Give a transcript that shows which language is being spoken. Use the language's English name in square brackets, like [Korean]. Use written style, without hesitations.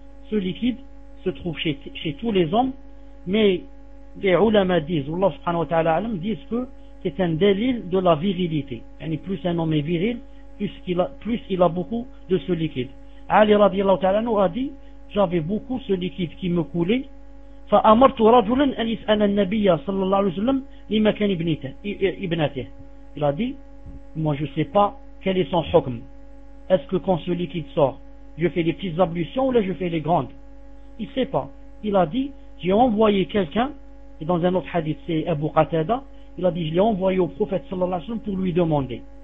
[French] Ce liquide se trouve chez tous les hommes, mais les ulama disent, ou Allah subhanahu wa ta'ala disent que c'est un délil de la virilité. Yani plus un homme est viril, plus il a beaucoup de ce liquide. Ali radiallahu ta'ala nous a dit, j'avais beaucoup ce liquide qui me coulait. [Arabic] فأمرت رجلا أن يسأل النبي صلى الله عليه وسلم لمكان ابنته. [French] Il a dit, moi je ne sais pas quel est son hukm. Est-ce que quand ce liquide sort, je fais les petites ablutions ou là je fais les grandes? Il ne sait pas. Il a dit, j'ai envoyé quelqu'un, et dans un autre hadith c'est Abu Qatada, il a dit, je l'ai envoyé au prophète sallallahu alayhi wa sallam pour lui demander.